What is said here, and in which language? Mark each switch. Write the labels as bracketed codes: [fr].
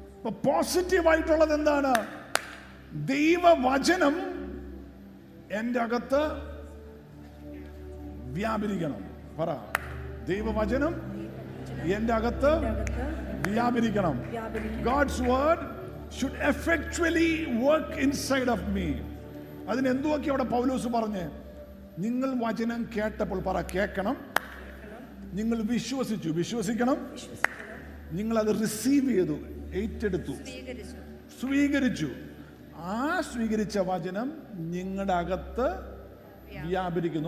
[ml] Positive ആയിട്ടുള്ളത് എന്താണ്? ദൈവവചനം എന്റെ അകത്ത് വ്യാപരിക്കണം. പറ, ദൈവവചനം എന്റെ അകത്ത് വ്യാപരിക്കണം. [en] God's word should effectually work inside of me. [ml] അതിന് എന്തുവൊക്കെ അവിടെ പൗലോസ് പറഞ്ഞു? നിങ്ങൾ വചനം കേട്ടപ്പോൾ, പറ, കേൾക്കണം, നിങ്ങൾ വിശ്വസിച്ചു, വിശ്വസിക്കണം, നിങ്ങൾ അത് റിസീവ് ചെയ്തു, ഏറ്റെടുത്തു, സ്വീകരിച്ചു. ആ സ്വീകരിച്ച വചനം നിങ്ങളുടെ അകത്ത് വ്യാപരിക്കുന്നു.